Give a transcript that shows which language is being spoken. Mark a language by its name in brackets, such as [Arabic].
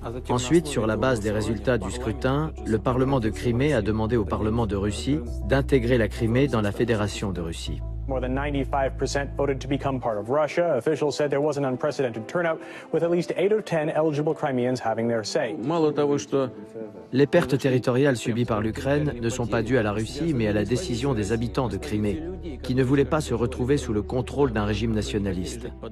[French] Ensuite, sur la base des résultats du scrutin, le Parlement de Crimée a demandé au Parlement de Russie d'intégrer la Crimée dans la Fédération de Russie. [English] More than 95% voted to become part of Russia. Officials said there was an unprecedented turnout, with at least 8 of 10 eligible Crimeans having their say. [French] Les pertes territoriales subies par l'Ukraine ne sont pas dues à la Russie, mais à la décision des habitants de Crimée, qui ne voulaient pas se retrouver sous le contrôle d'un régime nationaliste.